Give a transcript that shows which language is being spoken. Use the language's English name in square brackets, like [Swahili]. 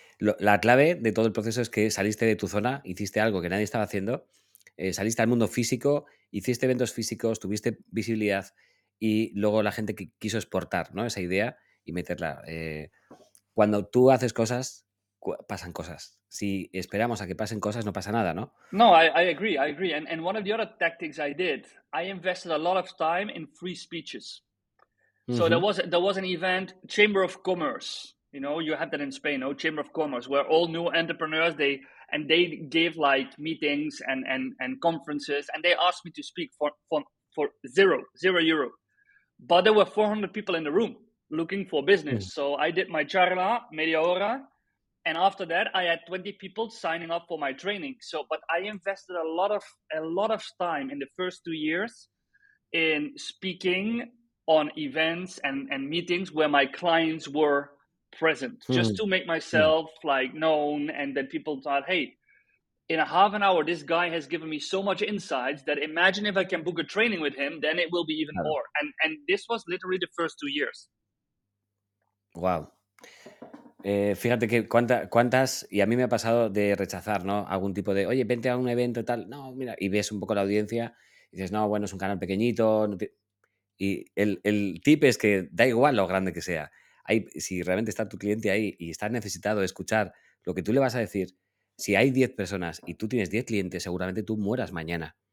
[Spanish] La clave de todo el proceso es que saliste de tu zona, hiciste algo que nadie estaba haciendo, saliste al mundo físico, hiciste eventos físicos, tuviste visibilidad y luego la gente quiso exportar, ¿no?, esa idea y meterla. Cuando tú haces cosas, pasan cosas. Si esperamos a que pasen cosas, no pasa nada, ¿no? [English] No, I agree. And one of the other tactics I did, I invested a lot of time in free speeches. So there was an event, Chamber of Commerce. You know, you had that in Spain, Chamber of Commerce, where all new entrepreneurs, they gave like meetings and conferences, and they asked me to speak for €0. But there were 400 people in the room looking for business. So I did my [Spanish] charla, media hora, [English] and after that, I had 20 people signing up for my training. So, but I invested a lot of time in the first 2 years in speaking on events and meetings where my clients were present, just to make myself like known, and then people thought, hey, in a half an hour this guy has given me so much insights that imagine if I can book a training with him, then it will be even more. And this was literally the first 2 years. Wow. [Spanish] Fíjate que cuántas, y a mí me ha pasado de rechazar, ¿no?, algún tipo de, oye, vente a un evento tal, no, mira, y ves un poco la audiencia y dices, no, bueno, es un canal pequeñito, no te... Y el tip es que da igual lo grande que sea. Ahí, si realmente está tu cliente ahí y está necesitado de escuchar lo que tú le vas a decir, si hay 10 personas y tú tienes 10 clientes, seguramente tú mueras mañana.